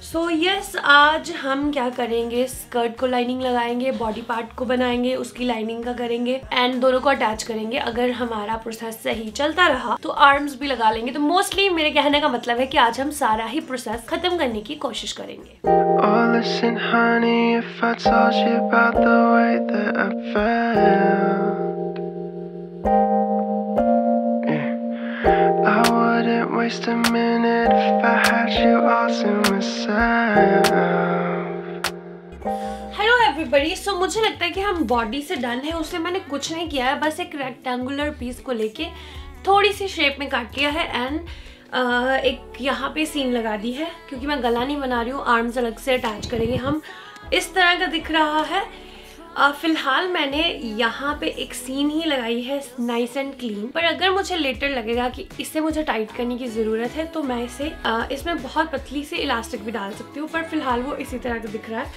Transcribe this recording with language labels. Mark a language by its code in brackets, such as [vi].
[hi] So yes, आज हम क्या करेंगे, स्कर्ट को लाइनिंग लगाएंगे, बॉडी पार्ट को बनाएंगे, उसकी लाइनिंग का करेंगे एंड दोनों को अटैच करेंगे. अगर हमारा प्रोसेस सही चलता रहा तो आर्म्स भी लगा लेंगे. तो मोस्टली मेरे कहने का मतलब है कि आज हम सारा ही खत्म करने की कोशिश करेंगे. [en] Oh, listen, honey, if I told you about the way that I felt, yeah, I wouldn't waste a minute if I had you all to myself. Hello everybody. [hi] So, मुझे लगता है कि हम बॉडी से डन है. उसे मैंने कुछ नहीं किया है, बस एक रेक्टेंगुलर पीस को लेके थोड़ी सी शेप में काट लिया है एंड एक यहाँ पे सीन लगा दी है, क्योंकि मैं गला नहीं बना रही हूँ, आर्म्स अलग से अटैच करेंगे हम. इस तरह का दिख रहा है फिलहाल. मैंने यहाँ पे एक सीन ही लगाई है नाइस एंड क्लीन, पर अगर मुझे लेटर लगेगा कि इसे मुझे टाइट करने की ज़रूरत है तो मैं इसे इसमें बहुत पतली सी इलास्टिक भी डाल सकती हूँ, पर फिलहाल वो इसी तरह का दिख रहा है.